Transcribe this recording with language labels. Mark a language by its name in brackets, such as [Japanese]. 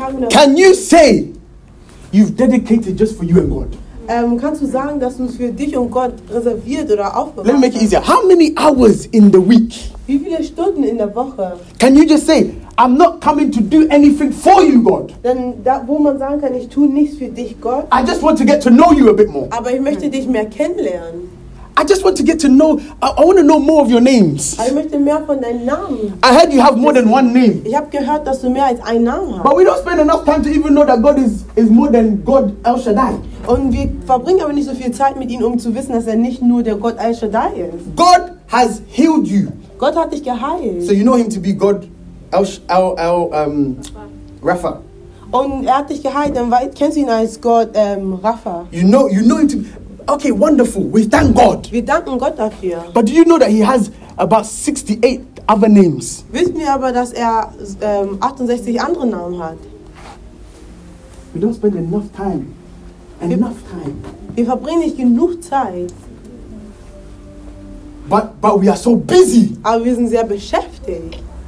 [English] Can you say you've dedicated just for you and God? [German] Kannst du sagen, dass du es für dich und Gott reserviert oder aufgebaut? [English] Let me make it easier. How many hours in the week? [German] Wie viele Stunden in der Woche? [English] Can you just say I'm not coming to do anything for you, God? [German] Dann da, wo man sagen kann, ich tue nichts für dich, Gott. [English] I just want to get to know you a bit more. [German] Aber ich möchte dich mehr kennenlernen. [English] I just want to get to know, I want to know more of your names. [German] Ich möchte mehr von deinen Namen. [English] I heard you have more than one name. [German] Ich habe gehört, dass du mehr als einen Namen hast. [English] But we don't spend enough time to even know that God is more than God El Shaddai. [German] Und wir verbringen aber nicht so viel Zeit mit ihm, um zu wissen, dass er nicht nur der Gott El Shaddai ist. [English] God has healed you. [German] Gott hat dich geheilt. [English] So you know him to be God Rapha. [German] Und er hat dich geheilt, dann kennst du ihn als Gott Rapha. [English] You know him to be... Okay, wonderful. We thank God. [German] Wir danken Gott dafür. [English] But do you know that he has about 68 other names? [German] Wissen wir aber, dass er 68 andere Namen hat. [English] We don't spend enough time. Enough time. [German] Wir verbringen nicht genug Zeit. [English] But we are so busy. [German] Aber wir sind sehr beschäftigt.